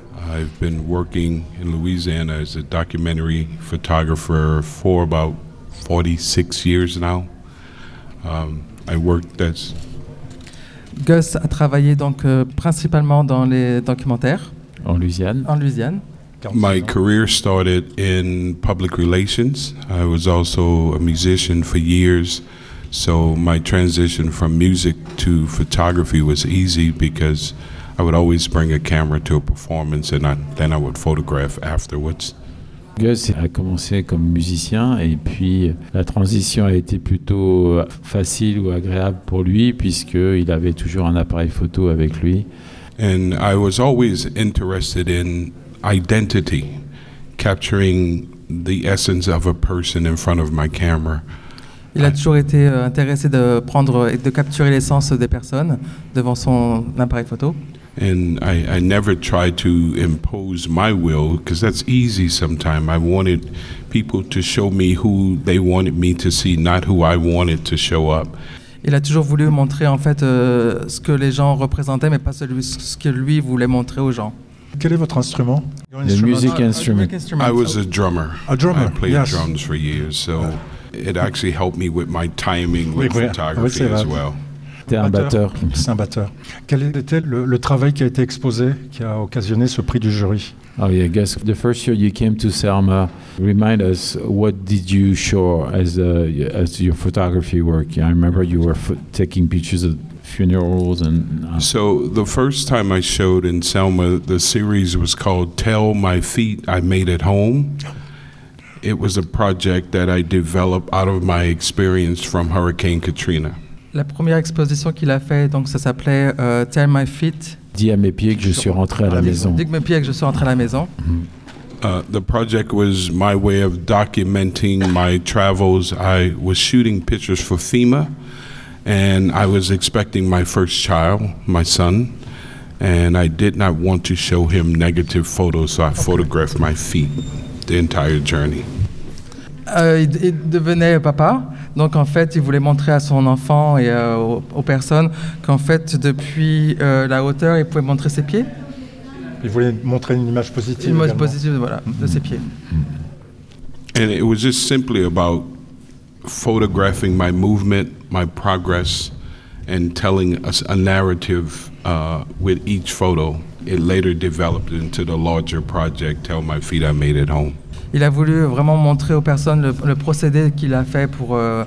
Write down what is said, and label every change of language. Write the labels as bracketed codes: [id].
[en] I've been working in Louisiana as a documentary photographer for about 46 years now. I worked as [fr] Gus a travaillé donc principalement dans les documentaires en Louisiane. En Louisiane. [en] My career started in public relations. I was also a musician for years, so my transition from music to photography was easy because I would always bring a camera to a performance and then I would photograph afterwards. [fr] Gus a commencé comme musicien et puis la transition a été plutôt facile ou agréable pour lui puisqu'il avait toujours un appareil photo avec lui. [en] And I was always interested in identity, capturing the essence of a person in front of my camera. [fr] Il a toujours été intéressé de prendre et de capturer l'essence des personnes devant son appareil photo. [en] And I never tried to impose my will, because that's easy sometimes. I wanted people to show me who they wanted me to see, not who I wanted to show up. [fr] Il a toujours voulu montrer en fait ce que les gens représentaient, mais pas ce que lui voulait montrer aux gens. Quel est votre instrument? [en] The music instrument. I was a drummer. A drummer. I played yes. drums for years, so it actually helped me with my timing with photography [fr] oui, [en] as well. [fr] C'était un batteur. C'est un batteur. Quel était le travail qui a été exposé, qui a occasionné ce prix du jury? [en] Oh yeah, Gus, the first year you came to Selma, remind us, what did you show as your photography work? I remember you were taking pictures of funerals and... So the first time I showed in Selma, the series was called Tell My Feet I Made at Home. It was a project that I developed out of my experience from Hurricane Katrina. [fr] La première exposition qu'il a fait, donc ça s'appelait Tell My Feet. Dis à mes pieds que je suis rentré à la maison. Dis à mes pieds que je suis rentré à la maison. [en] The project was my way of documenting my travels. I was shooting pictures for FEMA, and I was expecting my first child, my son, and I did not want to show him negative photos, so I photographed my feet the entire journey. [fr] Il devenait papa. Donc en fait, il voulait montrer à son enfant et aux personnes qu'en fait, depuis la hauteur, il pouvait montrer ses pieds. Il voulait montrer une image positive. Une image positive, voilà, de ses pieds. [en] And it was just simply about photographing my movement, my progress, and telling a narrative with each photo. It later developed into the larger project, Tell My Feet I Made at Home. [fr] Il a voulu vraiment montrer aux personnes le procédé qu'il a fait pour